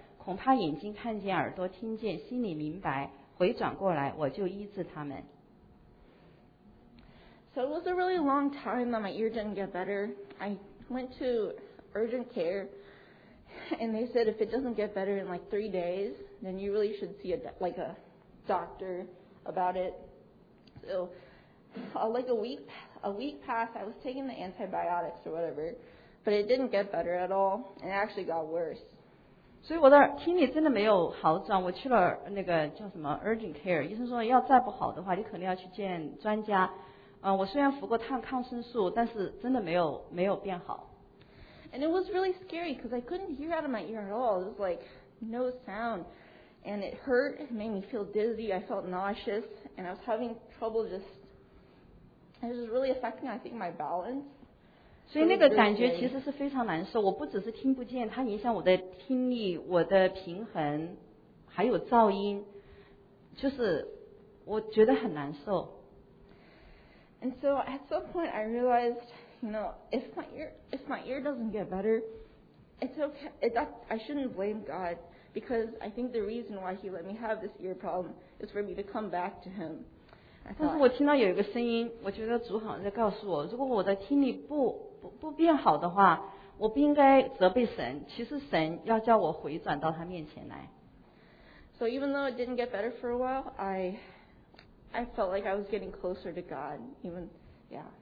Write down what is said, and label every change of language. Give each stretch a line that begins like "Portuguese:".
Chinese: 恐怕眼睛看见，耳朵听见，心里明白，回转过来，我就医治他们。
English: So it was a really long time that my ear didn't get better. I went to urgent care, and they said if it doesn't get better in like 3 days, then you really should see a doctor about it. So like a week passed, I was taking the antibiotics or whatever, But it didn't get better at all. It actually got worse.
Chinese: 所以我的听力真的没有好转，我去了那个叫什么 urgent care， 医生说要再不好的话，你肯定要去见专家。我虽然服过抗生素，但是真的没有变好。
English: And it was really scary because I couldn't hear out of my ear at all. It was like no sound, and it hurt. It made me feel dizzy. I felt nauseous, and I was having trouble just. It was really affecting, I think, my balance.
Chinese: 所以那个感觉其实是非常难受。我不只是听不见，它影响我的听力、我的平衡，还有噪音，就是我觉得很难受。
English: And so at some point I realized, you know, if my ear doesn't get better, it's okay. I shouldn't blame God because I think the reason why He let me have this ear problem is for me to come back to Him. Thought,
Chinese: 但是我听到有一个声音，我觉得主好像在告诉我，如果我的听力不变好的话，我不应该责备神。其实神要叫我回转到他面前来。
English: So even though it didn't get better for a while, I felt like I was getting closer to God. Even, yeah.